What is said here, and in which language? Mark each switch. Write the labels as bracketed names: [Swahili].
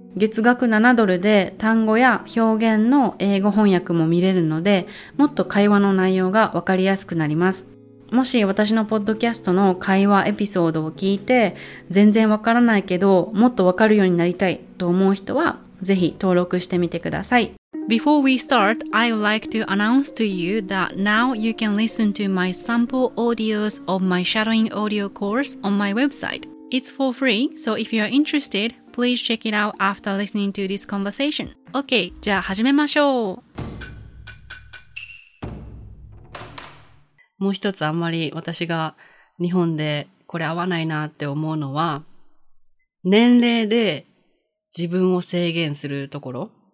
[Japanese] 月額7ドルで単語や表現の英語翻訳も見れるので、もっと会話の内容がわかりやすくなります。もし私のポッドキャストの会話エピソードを聞いて、全然わからないけどもっとわかるようになりたいと思う人はぜひ登録してみてください。 [English] Before we start, I would like to announce to you that now you can listen to my sample audios of my shadowing audio course on my website. It's for free, so if you're interested, please check it out after listening to this conversation. [Japanese] OK, じゃあ始めましょう。もう一つ、あんまり私が日本でこれ合わないなって思うのは、年齢で自分を制限するところ。